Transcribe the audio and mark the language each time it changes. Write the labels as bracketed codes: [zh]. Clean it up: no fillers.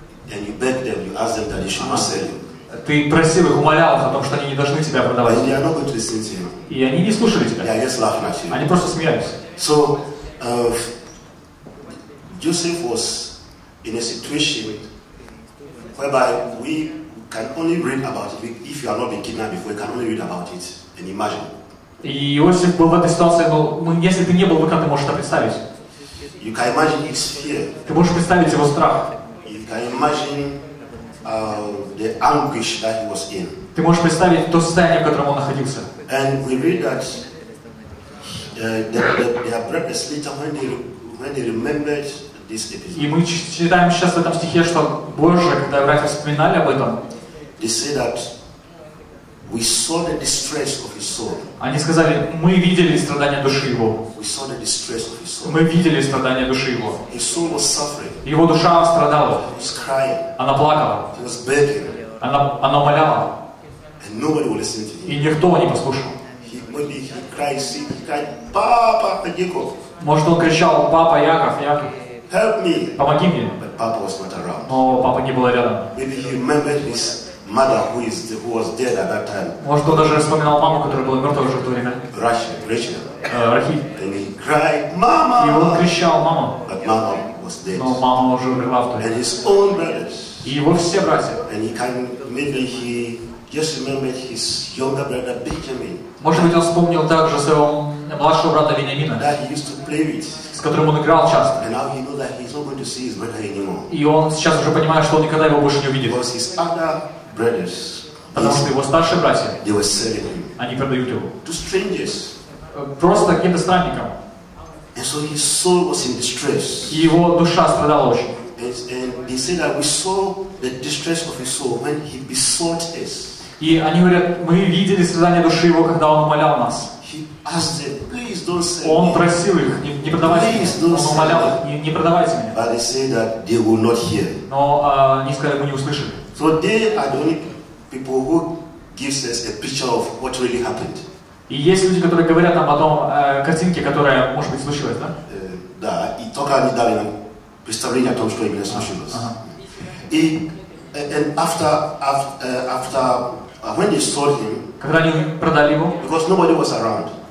[en] And you beg them, you ask them that they should not sell you. [ru] Ты просил их, умолял их о том, что они не должны тебя продавать. [en] And they are not going to listen to you. [ru] И они не слушали тебя. [en] They are just laughing at you. [ru] Они просто смеялись. [en] So, Joseph was in a situation whereby we can only read about it if you have not been kidnapped before. We can only read about it and imagine. [ru] И Иосиф был в этой ситуации, но если ты не был, как ты можешь это представить? [en] You can imagine his fear. [ru] Ты можешь представить его страх. [en] You can imagine the anguish that he was in. [ru] Ты можешь представить то состояние, в котором он находился. [en] And we read that their breakfast later when they remembered this episode. [ru] И мы читаем сейчас в этом стихе, что Боже, когда братья вспоминали об этом, [en] they say that we saw the distress of his soul. [ru] Они сказали, мы видели страдания души его. [en] We saw the distress of his soul. [ru] Мы видели страдания души его. [en] His soul was suffering. [ru] Его душа страдала. [en] He was crying. [ru] Она плакала. [en] He was begging. [ru] Она умоляла. [en] And nobody would listen to him. [ru] И никто не послушал. [en] He cried, Papa Jacob. [ru] Может, он кричал, Папа Яков. [en] Help me. [ru] Помоги мне. [en] But Papa was not around. [ru] Но папа не был рядом. [en] Maybe he remembered this. Mother who was dead at that time. [ru] Может, он даже вспоминал маму, которая была мертва уже в то время. Рахиль. [en] And he cried, Mama. [ru] И он кричал, Мама. [en] But Mama was dead. [ru] Но мама уже умерла в то время. [en] And his own brothers. [ru] И его все братья. [en] And he can maybe he just remembered his younger brother Benjamin. [ru] Может быть, он вспомнил также своего младшего брата Вениамина. [en] That he used to play with. [ru] С которым он играл часто. [en] And now he knows that he's not going to see his brother anymore. [ru] И он сейчас уже понимает, что он никогда его больше не увидит. [en] Because his other brothers, [ru] потому что его старшие братья, [en] they were selling him, [ru] они продают его, [en] to strangers, [ru] просто каким-то странникам, [en] and so his soul was in distress, [ru] и его душа страдала очень, [en] and they say that we saw the distress of his soul when he besought us, [ru] и они говорят, мы видели страдания души его, когда он умолял нас, [en] he asked them, please don't sell, [ru] он просил их не продавать меня, он умолял их не продавайте меня, [en] but they say that they will not hear, [ru] но они сказали, мы не услышим. [en] So they are the only people who gives us a picture of what really happened. [ru] И есть люди, которые говорят нам о том картинке, которая, может быть, случилась, да? Да. И только они дали нам представление о том, что именно случилось. [en] И after when they sold him. [ru] Когда они продали его? [en] Because nobody was around.